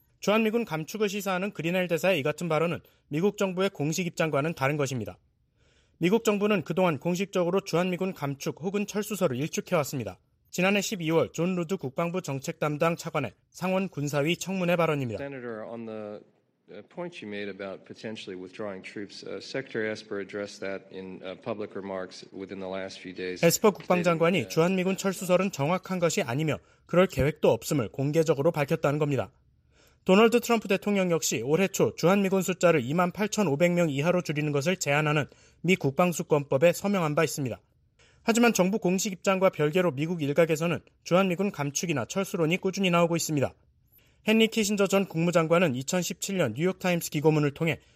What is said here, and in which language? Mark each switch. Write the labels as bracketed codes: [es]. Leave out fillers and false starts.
[ko] 주한미군 감축을 시사하는 그리넬 대사의 이 같은 발언은 미국 정부의 공식 입장과는 다른 것입니다. 미국 정부는 그동안 공식적으로 주한미군 감축 혹은 철수설을 일축해왔습니다. 지난해 12월 존 루드 국방부 정책 담당 차관의 상원 군사위 청문회 발언입니다. [en] Senator, on the point you made about potentially withdrawing troops, Secretary Esper addressed that in public remarks within the last few days. [ko] 에스퍼 국방장관이 주한미군 철수설은 정확한 것이 아니며 그럴 계획도 없음을 공개적으로 밝혔다는 겁니다. 도널드 트럼프 대통령 역시 올해 초 주한미군 숫자를 28,500명 이하로 줄이는 것을 제안하는 미 국방수권법에 서명한 바 있습니다. 하지만 정부 공식 입장과 별개로 미국 일각에서는 주한미군 감축이나 철수론이 꾸준히 나오고 있습니다. 헨리 키신저 전 국무장관은 2017년 뉴욕타임스 기고문을 통해